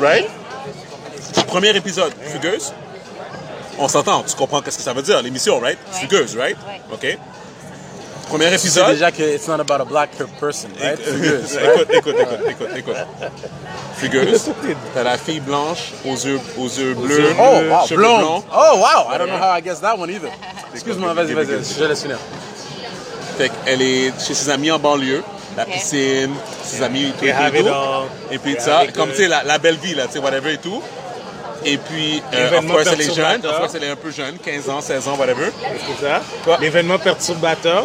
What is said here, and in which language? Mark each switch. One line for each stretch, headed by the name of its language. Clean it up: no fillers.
French: right? Oui. Premier épisode, fugueuse. On s'entend, tu comprends qu'est-ce que ça veut dire, l'émission, right? Ouais. Fugueuse, right? Ouais. OK. Premier épisode. Tu sais déjà que
English: it's not about a black person, right? Fugueuse, right?
French: Écoute, écoute, écoute, écoute, écoute. Fugueuse, t'as la fille blanche aux yeux bleus. Oh, wow, blonde.
English: Oh, wow, I don't know how I guessed that one either.
French: Excuse-moi, vas-y, je laisse finir. Fait qu'elle est chez ses amis en banlieue. La piscine, ses amis, tout et tout. Et puis ça, comme tu sais, la belle vie, là, tu sais, whatever et tout. Et puis, en fait, elle est jeune. En fait, elle est un peu jeune, 15 ans, 16 ans, whatever. C'est ça. Quoi? L'événement perturbateur,